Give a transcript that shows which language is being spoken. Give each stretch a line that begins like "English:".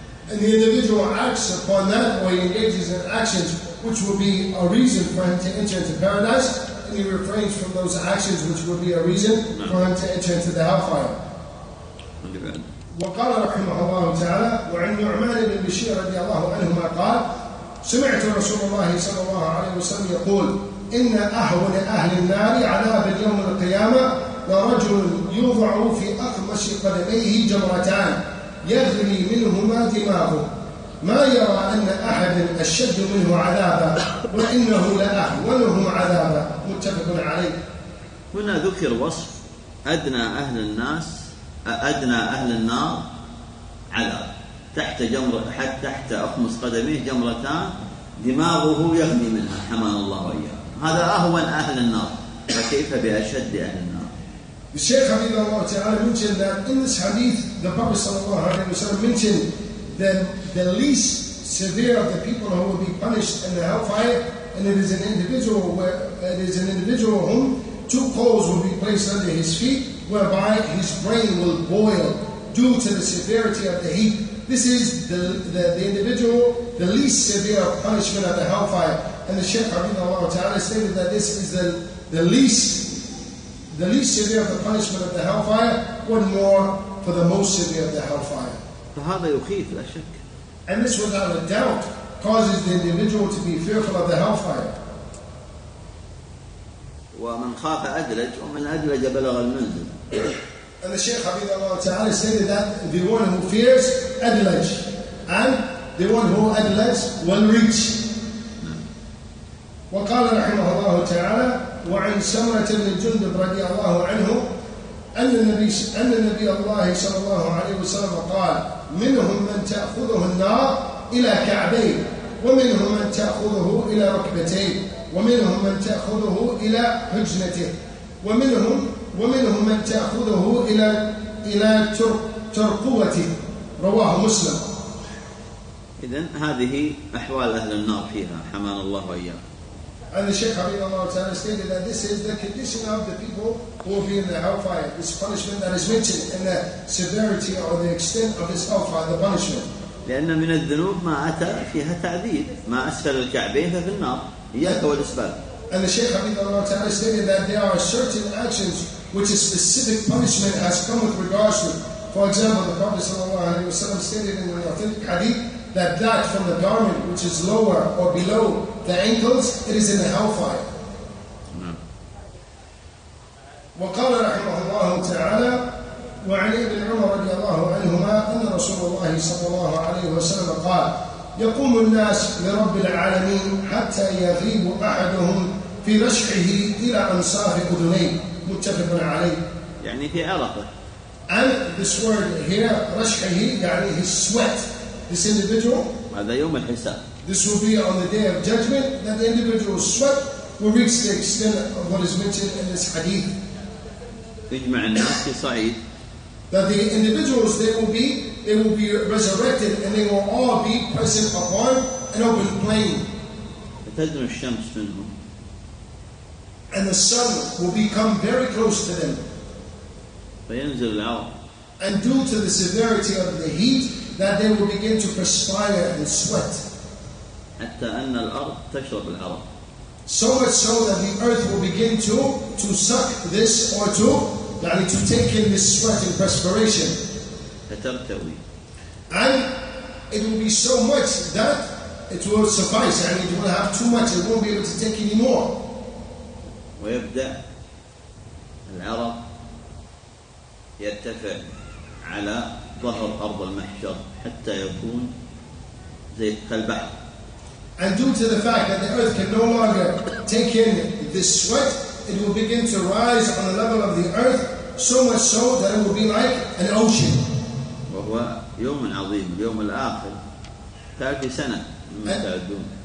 English: And the individual acts upon that, or he engages in actions which will be a reason for him to enter into paradise, and he refrains from those actions which will be a reason for him to enter into the hellfire.
Arabic: وقال رحمه الله تعالى وعن نعمان بن بشير رضي الله عنهما قال سمعت رسول الله صلى الله عليه وسلم يقول إن أهون أهل النار عذاب اليوم القيامة لرجل يوضع في أقمص قدميه جمرتان يغلي منهما دماغه ما يرى أن أحد أشد منه عذابا وإنه لأهونهم عذابا. متفق عليه. هنا ذكر وصف أدنى أهل الناس أدنى أهل النار على تحت جمرة حتى تحت أخمص قدميه جمرتان دماغه يغلي منها حمان الله وإياه. هذا أهون أهل النار، فكيف بأشد أهل النار؟ الشيخ حبيب الله تعالى
English: mentioned that in this hadith the Prophet
Arabic: صلى الله عليه وسلم
English: mentioned that the least severe of the people who will be punished in the hellfire, and it is an individual where it is an individual whom 2 coals will be placed under his feet, whereby his brain will boil due to the severity of the heat. This is the individual, the least severe punishment of the hellfire. And the Shaykh Rahimahullah Ta'ala stated that this is the least severe of the punishment of the hellfire, one more for the most severe of the hellfire.
Arabic: فهذا يخيف لا شك.
English: And this without a doubt causes the individual to be fearful of the hellfire.
Arabic: ومن خاف أدلج ومن أدلج بلغ المنزل.
English: And the Shaykh Habib Allah Ta'ala stated that the one who fears Adlaj and the one who Adlaj will reach.
Arabic: وقال رحمه الله تعالى وعن سمرة بن جندب رضي الله عنه أن النبي الله صلى الله عليه وسلم قال منهم من تأخذه النار إلى كعبين ومنهم من تأخذه إلى ركبتين ومنهم من تأخذه إلى حجنته ومنهم من تأخذه إلى ترقوته رواه مسلم. إذن هذه أحوال أهل النار فيها حمان الله وإياه.
English: And the Shaykh Habibullah Ta'ala stated that this is the condition of the people who will be in the hellfire. This punishment that is mentioned in the severity or the extent of this hellfire, the punishment.
Arabic: لأن من الذنوب ما أتى فيها تعذيب ما أسفل الكعبين ففي النار إياك والأسباب.
English: And the Shaykh Habibullah Ta'ala stated that there are certain actions which a specific punishment has come with regards to. For example, the Prophet Sallallahu Alaihi Wasallam stated in the authentic hadith that that from the garment which is lower or below the ankles, it is in the hellfire.
Arabic: وقال رحمه الله تعالى وعلي بن عمر رضي الله عنهما أن رسول الله صلى الله عليه وسلم قال يقوم الناس لرب العالمين حتى يغيب أحدهم في رشحه إلى أنصاف أذنيه متفق عليه. يعني في عرقه.
English: And this word here
Arabic: رشحه يعني
English: his sweat. This individual.
Arabic: هذا يوم الحساب.
English: This will be on the day of judgment that the individual sweat will reach the extent of what is mentioned in this hadith.
Arabic: يجمع الناس في صعيد.
English: That the individuals they will be resurrected and they will all be present upon an open plain.
Arabic: تجمع الشمس منهم.
English: And the sun will become very close to them.
Arabic: فينزل العرق.
English: And due to the severity of the heat, that they will begin to perspire and sweat.
Arabic: حتى أن الأرض تشرب العرق.
English: So much so that the earth will begin to suck this or to, يعني to take in this sweat and perspiration.
Arabic: فترتوي.
English: And it will be so much that it will suffice. يعني it will have too much. It won't be able to take any more.
Arabic: ويبدأ العرق يرتفع على ظهر أرض المحشر حتى يكون زي كالبحر.
English: And due to the fact that the earth can no longer take in this sweat, it will begin to rise on the level of the earth so much so that it will be like an ocean.
Arabic: وهو يوم عظيم يوم الآخر ثالث سنة مما تعدون.